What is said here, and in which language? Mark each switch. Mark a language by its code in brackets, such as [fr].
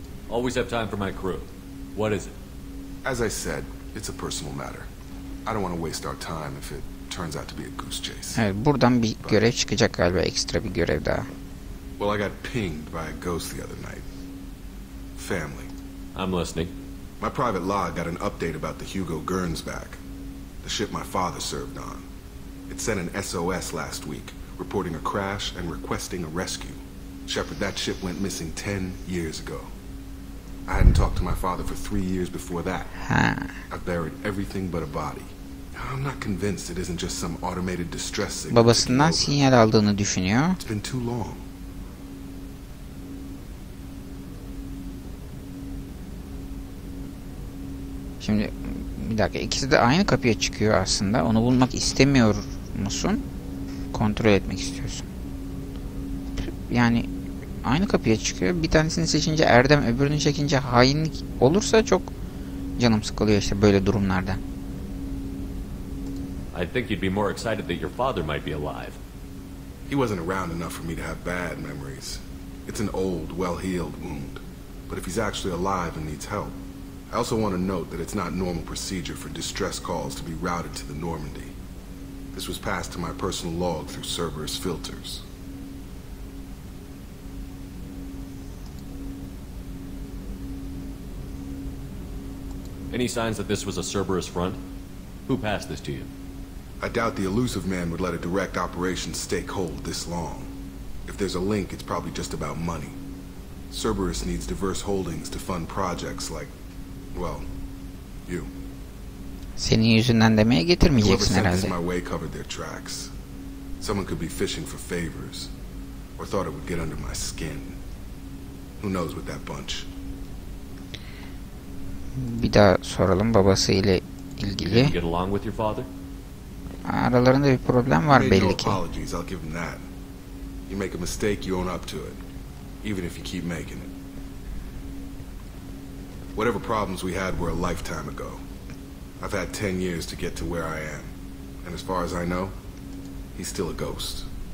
[en] Always have time for my crew. What is it? As I said, it's a personal matter. I don't want to waste our time if it turns out to be a goose chase. [tr] Evet, buradan bir görev çıkacak galiba, ekstra bir görev daha. [en] Well, I got pinged by a ghost the other night. Family. I'm listening. My private log got an update about the Hugo Gernsback. The ship my father served on. It sent an SOS last week, reporting a crash and requesting a rescue. Shepard, that ship went missing 10 years ago. I hadn't talked to my father for 3 years before that. I buried everything but a body. I'm not convinced it isn't just some automated distress signal. [tr] Babasından sinyal aldığını düşünüyor. [en] It's been too long. [tr] Şimdi bir dakika, ikisi de aynı kapıya çıkıyor aslında. Onu bulmak istemiyor musun? Kontrol etmek istiyorsun. Yani aynı kapıya çıkıyor. Bir tanesini seçince erdem, öbürünü çekince hainlik olursa çok canım sıkılıyor işte böyle durumlarda. [en] I think you'd be more excited that your father might be alive. He wasn't around enough for me to have bad memories. It's an old, well-healed wound. But if he's actually alive and needs help, I also want to note that it's not normal procedure for distress calls to be routed to the Normandy. This was passed to my personal log through Cerberus filters. Any signs that this was a Cerberus front? Who passed this to you? I doubt the elusive man would let a direct operation stake hold this long. If there's a link, it's probably just about money. Cerberus needs diverse holdings to fund projects like... Well, you. [tr] Senin yüzünden demeye getirmeyeceksin herhalde. [en] My way covered their tracks. Someone could be fishing for favors, or thought it would get under my skin. Who knows with that bunch? [tr] Bir daha soralım babası ile ilgili. [en] Get along with your father? [tr] Aralarında bir problem var belli ki. [en] Apologies, I'll give him that. You make a mistake, you own up to it, even if you keep making it. Whatever problems we had were a lifetime ago. I've had 10 years to get to where I am. And as far as I know, he's still a ghost.